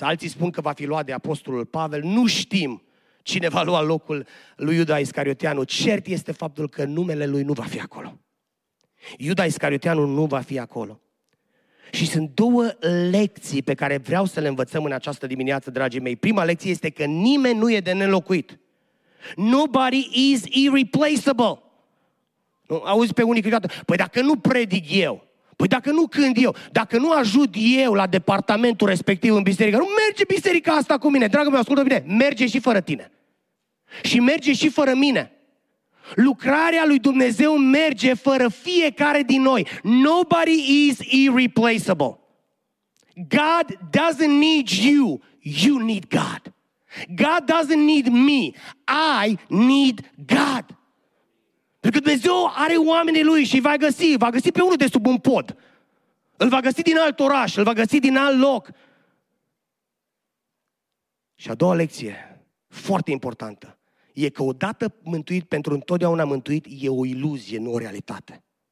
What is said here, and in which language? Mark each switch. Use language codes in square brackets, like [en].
[ro] Alții spun că va fi luat de Apostolul Pavel. Nu știm cine va lua locul lui Iuda Iscarioteanu. Cert este faptul că numele lui nu va fi acolo. Iuda Iscarioteanu nu va fi acolo. Și sunt două lecții pe care vreau să le învățăm în această dimineață, dragii mei. Prima lecție este că nimeni nu e de nelocuit. [en] Nobody is irreplaceable. [ro] Nu, auzi pe unii câteodată, păi dacă nu predic eu, păi dacă nu cânt eu, dacă nu ajut eu la departamentul respectiv în biserică, nu merge biserica asta cu mine, dragul meu, ascultă bine, merge și fără tine. Și merge și fără mine. Lucrarea lui Dumnezeu merge fără fiecare din noi. [en] Nobody is irreplaceable. God doesn't need you, you need God. God doesn't need me, I need God. [ro] Pentru că Dumnezeu are oamenii lui și va găsi pe unul de sub un pod. Îl va găsi din alt oraș, îl va găsi din alt loc. Și a doua lecție, foarte importantă, e că odată mântuit pentru întotdeauna mântuit e o iluzie, nu o realitate.